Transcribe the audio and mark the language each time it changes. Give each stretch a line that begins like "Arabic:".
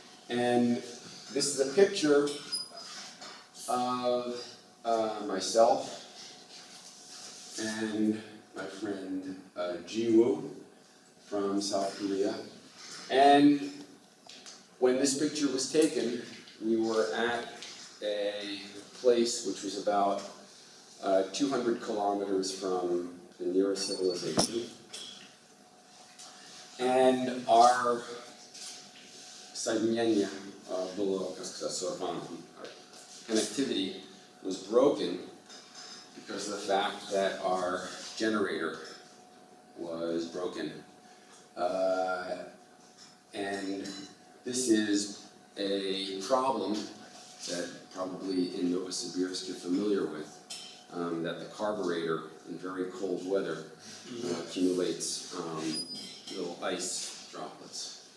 English: And this is a picture of myself and my friend Jiwoo from South Korea. And when this picture was taken, we were at a place which was about 200 kilometers from the nearest civilization. And our
Russian: соединение было, как сказать, сорвано.
English: Connectivity was broken because of the fact that our generator was broken. And this is a problem that probably in Novosibirsk you're familiar with, that the carburetor in very cold weather accumulates little ice droplets.